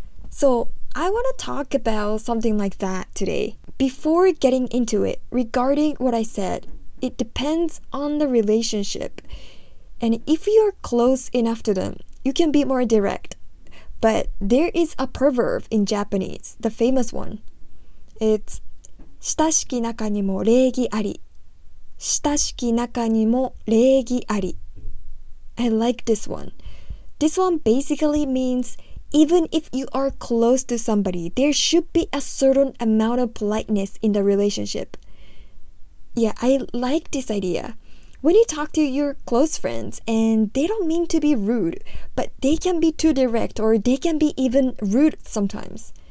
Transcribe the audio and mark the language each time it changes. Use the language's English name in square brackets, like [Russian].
[English] So I want to talk about something like that today. Before getting into it, regarding what I said, it depends on the relationship. And if you are close enough to them, you can be more direct. But there is a proverb in Japanese, the famous one. [Japanese] It's 親しき中にも礼儀あり。親しき中にも礼儀あり。 [English] I like this one. This one basically means even if you are close to somebody, there should be a certain amount of politeness in the relationship. Yeah, I like this idea. When you talk to your close friends and they don't mean to be rude, but they can be too direct or they can be even rude sometimes.